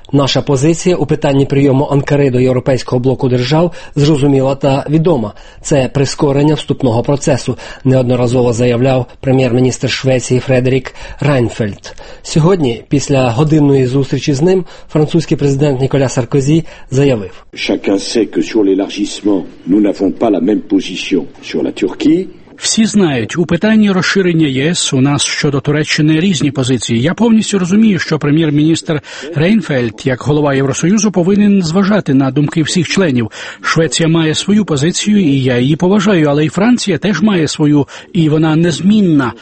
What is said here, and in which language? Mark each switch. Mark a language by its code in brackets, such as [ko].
[uk] Наша позиція у питанні прийому Анкари до європейського блоку держав зрозуміла та відома. Це прискорення вступного процесу, неодноразово заявляв прем'єр-міністр Швеції Фредерік Райнфельд. Сьогодні, після годинної зустрічі з ним, французький президент Ніколя Саркозі заявив: [fr] «Chacun sait que sur l'élargissement, nous n'avons pas la même position sur la Turquie». [uk] Всі знають, у питанні розширення ЄС у нас щодо Туреччини різні позиції. Я повністю розумію, що прем'єр-міністр Рейнфельд, як голова Євросоюзу, повинен зважати на думки всіх членів. Швеція має свою позицію, і я її поважаю, але і Франція теж має свою, і вона незмінна.